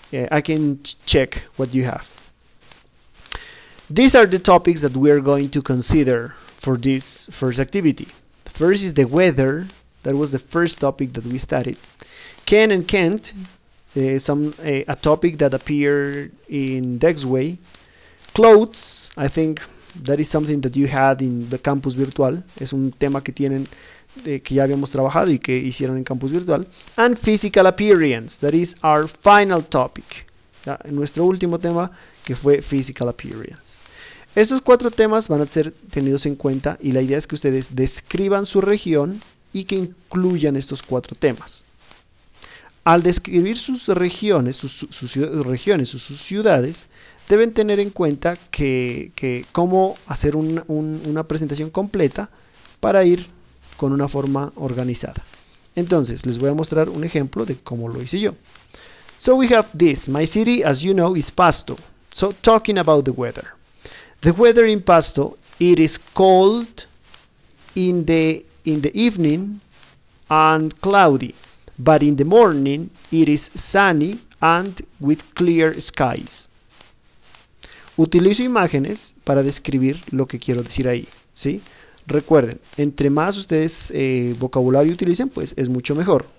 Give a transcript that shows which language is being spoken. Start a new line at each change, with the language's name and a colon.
English: I can check what you have. These are the topics that we are going to consider for this first activity. First is the weather. That was the first topic that we studied. Can and can't. A topic that appeared in Dexway. Clothes. I think that is something that you had in the Campus Virtual.
Spanish: Es un tema que tienen... que ya habíamos trabajado y que hicieron en Campus Virtual.
English: And physical appearance, that is our final topic.
Spanish: Ya, nuestro último tema, que fue physical appearance. Estos cuatro temas van a ser tenidos en cuenta y la idea es que ustedes describan su región y que incluyan estos cuatro temas. Al describir sus regiones, sus ciudades, deben tener en cuenta que cómo hacer una presentación completa para ir con una forma organizada. Entonces, les voy a mostrar un ejemplo de cómo lo hice yo.
English: So we have this. My city, as you know, is Pasto. So talking about the weather. The weather in Pasto, it is cold in the evening and cloudy. But in the morning, it is sunny and with clear skies.
Spanish: Utilizo imágenes para describir lo que quiero decir ahí, ¿sí? Recuerden, entre más ustedes vocabulario utilicen, pues es mucho mejor.